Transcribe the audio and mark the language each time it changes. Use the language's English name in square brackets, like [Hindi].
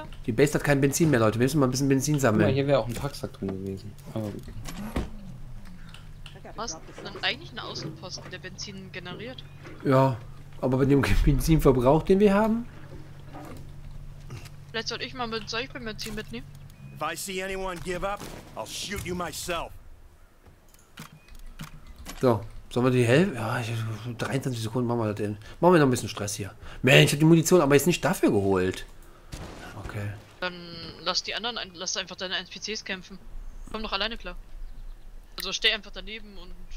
[German] Die Base hat kein Benzin mehr, Leute. Wir müssen mal ein bisschen Benzin sammeln. Ja, hier wäre auch ein Packsack drin gewesen. Aber gut. Was ist denn eigentlich ein Außenposten, der Benzin generiert? Ja, aber mit dem Benzinverbrauch, den wir haben? Vielleicht soll ich mal mit Seuchbenzin mitnehmen. [English] If I see anyone give up, I'll shoot you myself. [German] So, sollen wir die helfen? Ja, 23 Sekunden machen wir das. Machen wir noch ein bisschen Stress hier. Mensch, ich hab die Munition aber jetzt nicht dafür geholt. Okay. Dann lass die anderen, lass einfach deine NPCs kämpfen. Komm doch alleine klar. Also steh einfach daneben und...